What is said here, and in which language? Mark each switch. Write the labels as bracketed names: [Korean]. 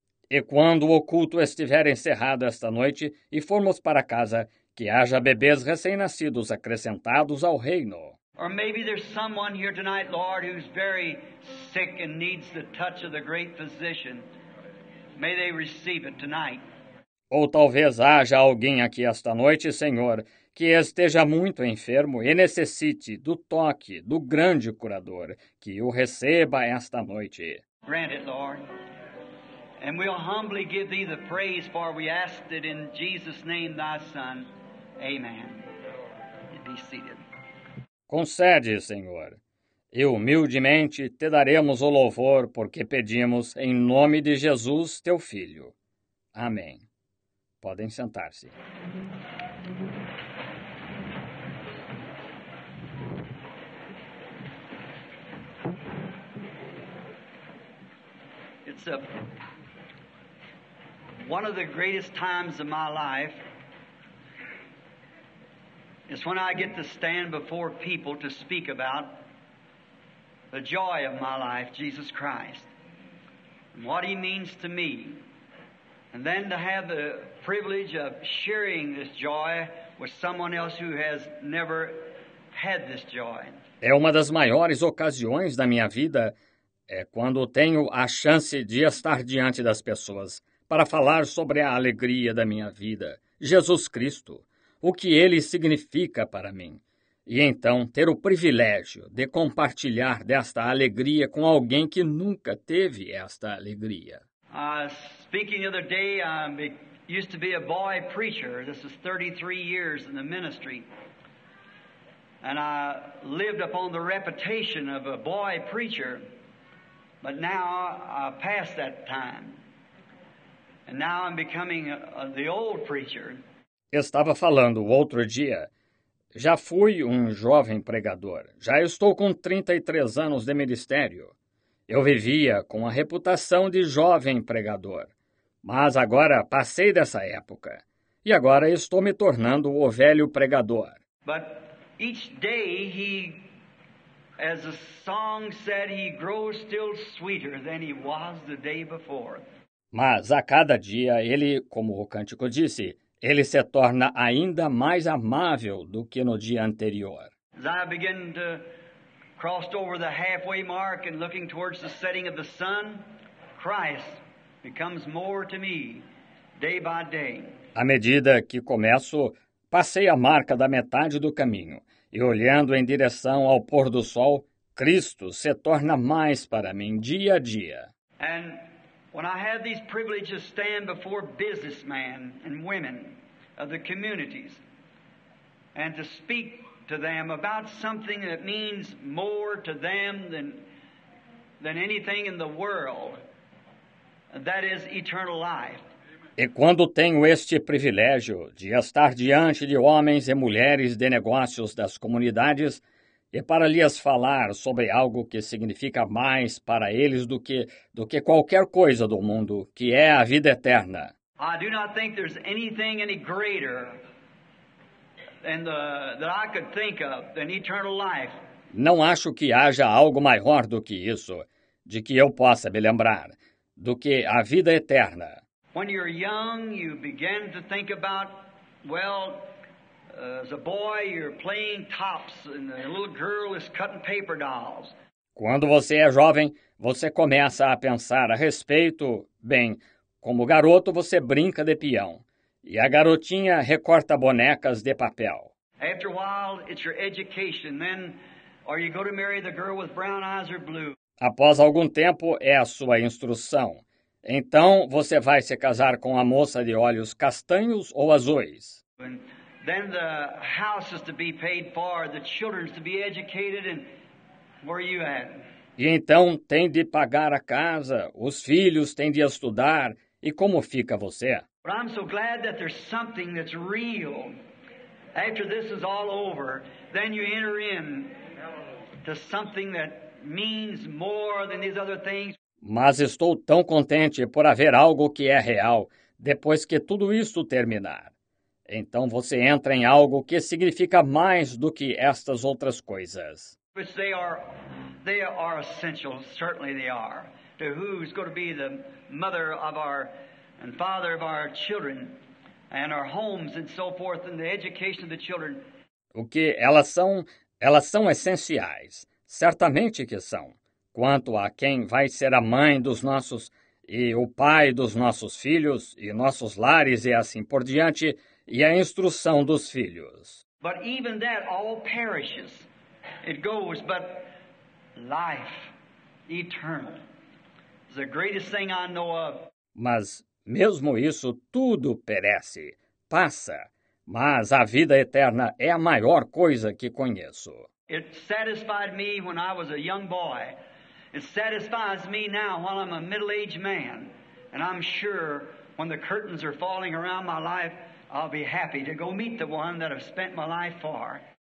[Portuguese] E quando o culto estiver encerrado esta noite e formos para casa, que haja bebês recém-nascidos acrescentados ao reino. [English] Or maybe there's someone here tonight, Lord, who's very sick and needs the touch of the great physician. May they receive it tonight. [Portuguese] Ou talvez haja alguém aqui esta noite, Senhor, que esteja muito enfermo e necessite do toque do grande curador, que o receba esta noite. [English] Grant it, Lord. And we'll humbly give thee the praise, for we ask it in Jesus' name, thy Son. Amen. Be seated. [Portuguese] Concede, Senhor, e humildemente te daremos o louvor, porque pedimos em nome de Jesus, teu Filho. Amém. Podem sentar-se. [English] It's a one of the greatest times of my life is when I get to stand before people to speak about the joy of my life, Jesus Christ, and what he means to me. And then to have the privilege of sharing this joy with someone else who has never had this joy. [Portuguese] É uma das maiores ocasiões da minha vida é quando tenho a chance de estar diante das pessoas para falar sobre a alegria da minha vida, Jesus Cristo, o que ele significa para mim. E então ter o privilégio de compartilhar desta alegria com alguém que nunca teve esta alegria. [English] Speaking the other day, used to be a boy preacher. This is 33 years in the ministry. And I lived upon the reputation of a boy preacher. But now I passed that time. And now I'm becoming the old preacher. [Portuguese] Estava falando o outro dia. Já fui um jovem pregador. Já estou com 33 anos de ministério. Eu vivia com a reputação de jovem pregador. Mas agora passei dessa época. E agora estou me tornando o velho pregador. [English] But each day he, as the song said, he grows still sweeter than he was the day before. [Portuguese] Mas a cada dia ele, como o cântico disse, ele se torna ainda mais amável do que no dia anterior. [English] As I begin to cross over the halfway mark and looking towards the setting of the sun, Christ becomes more to me day by day. [Portuguese] À medida que começo, passei a marca da metade do caminho e olhando em direção ao pôr do sol, Cristo se torna mais para mim dia a dia. [English] And when I have these privileges stand before businessmen and women of the communities and to speak to them about something that means more to them than anything in the world, that is eternal life. [Portuguese] E quando tenho este privilégio de estar diante de homens e mulheres de negócios das comunidades, e para lhes falar sobre algo que significa mais para eles do que qualquer coisa do mundo, que é a vida eterna. [English] I do not think there's anything any greater that I could think of than eternal life. [Portuguese] Não acho que haja algo maior do que isso, de que eu possa me lembrar, do que a vida eterna. [English] When you're young, you begin to think about, well, as a boy, you're playing tops, and a little girl is cutting paper dolls. [Portuguese] Quando você é jovem, você começa a pensar a respeito, bem, como garoto você brinca de peão, e a garotinha recorta bonecas de papel. [English] After a while, it's your education, then, or you go to marry the girl with brown eyes or blue. [Portuguese] Após algum tempo, é a sua instrução. Então, você vai se casar com a moça de olhos castanhos ou azuis. [English] And then the house is to be paid for, the children is to be educated, and where are you at? [Portuguese] E então tem de pagar a casa, os filhos têm de estudar, e como fica você? [English] But I'm so glad that there's something that's real. After this is all over, then you enter in to something that means more than these other things. [Portuguese] Mas estou tão contente por haver algo que é real depois que tudo isto terminar. Então você entra em algo que significa mais do que estas outras coisas. [English] They are essential, certainly they are, to who's going to be the mother of our and father of our children and our homes and so forth and the education of the children. [Portuguese] O que elas são essenciais, certamente que são, quanto a quem vai ser a mãe dos nossos e o pai dos nossos filhos e nossos lares e assim por diante, e a instrução dos filhos. [English] But even that all perishes. It goes, but life eternal is the greatest thing I know of. [Portuguese] Mas mesmo isso tudo perece, passa, mas a vida eterna é a maior coisa que conheço. [English] It satisfied me when I was a young boy. It satisfies me now while I'm a middle-aged man. And I'm sure when the curtains are falling around my life, I'll be happy to go meet the one that I've spent my life for.